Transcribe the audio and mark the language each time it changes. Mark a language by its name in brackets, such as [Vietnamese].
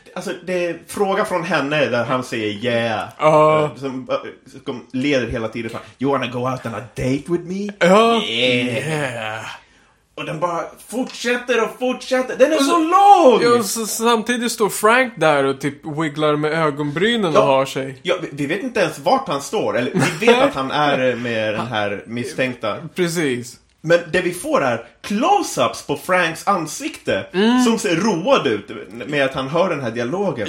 [Swedish] Alltså, det är en fråga från henne där han säger yeah. Som leder hela tiden. [English] You wanna go out on a date with me? Yeah. [Swedish] Och den bara fortsätter och fortsätter. Den är så lång! Ja, så samtidigt står Frank där och typ wigglar med ögonbrynen och har sig. Ja, vi vet inte ens vart han står. Eller vi vet att han är med den här misstänkta. Precis. Men det vi får är close-ups på Franks ansikte som ser road ut med att han hör den här dialogen.